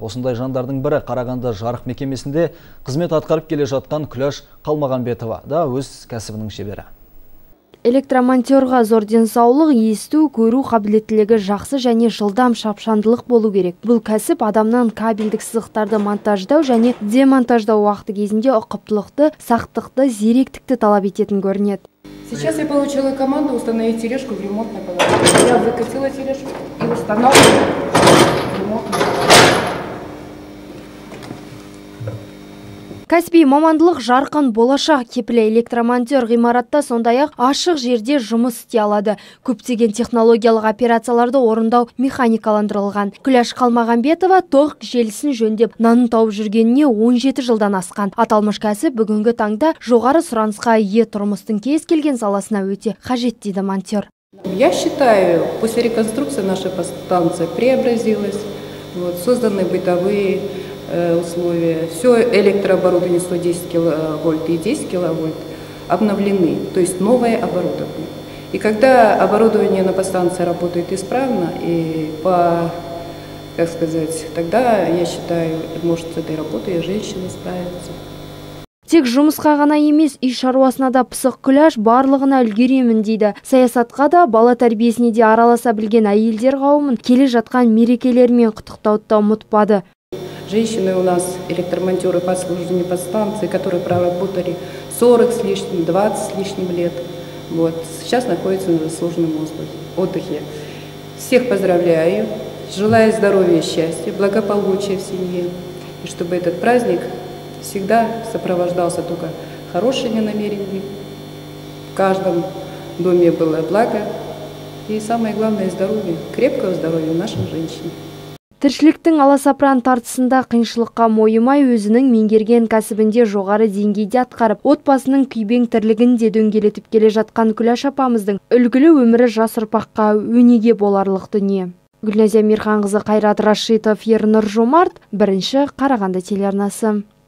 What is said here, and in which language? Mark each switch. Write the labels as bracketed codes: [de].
[kk] Осындай жандардың бірі Қарағанды жарық мекемесінде қызмет атқарып келе жатқан Күләш Қалмағанбетова да өз кәсібінің шебері. Электромонтерға зор денсаулық, есту, көру қабілеттілігі жақсы және жылдам шапшандылық болу керек. Бұл кәсіп адамнан кабельдік сызықтарды монтаждау және демонтаждау уақыты кезінде ұқыптылықты, сақтықты, зеректікті талап ететін көрінеді. [ru] Сейчас я получила команду установить тележку в ремонтной палате. Я выкатила тележку и установила ремонтную. [kk] Кәсіби мамандылық жарқын болашақ кепілі электромонтер ғимаратта сондай-ақ ашық жерде жұмыс істей алады. Көптеген технологиялық операцияларды орындау механикаландырылған. Күләш Қалмағанбетова тоқ желісін жөндеп, нанын тауып жүргеніне 17 жылдан асқан. Аталмыш кәсіп бүгінгі таңда жоғары сұранысқа ие, тұрмыстың кез келген саласына өте қажет, дейді монтер. [ru] Я считаю, после реконструкции наша станция преобразилась, созданы бытовые условия, все электрооборудование 110 кВт и 10 кВт обновлены, то есть новое оборудование. И когда оборудование на подстанции работает исправно, и по, как сказать, тогда, я считаю, может с этой работой женщина справится. [kk] Тек жұмысқа ғана емес, үй шаруасына да пысық Күләш барлығына үлгеремін, дейді. Саясатқа да, бала тәрбиесіне де араласа білген әйелдер қауымын келе жатқан мерекелермен құттықтауды да ұмытпады. [ru] Женщины у нас, электромонтеры по обслуживанию подстанции, которые проработали 40 с лишним, 20 с лишним лет. Вот. Сейчас находятся на заслуженном отдыхе. Всех поздравляю. Желаю здоровья, счастья, благополучия в семье. И чтобы этот праздник всегда сопровождался только хорошими намерениями. В каждом доме было благо. И самое главное – здоровье, крепкого здоровья нашим женщинам. [kk] Тіршіліктің аласапыран тартысында қиыншылыққа мойымай, өзінің меңгерген кәсібінде жоғары деңгейде атқарып, отбасының күйбең тірлігін де дөңгелетіп келе жатқан Күләш апамыздың үлгілі өмірі жас ұрпаққа өнеге боларлық дүние. Гүлназия Мирханқызы, Қайрат Рашитов, Ернұр Жомарт, бірінші Қарағанды телеарнасы.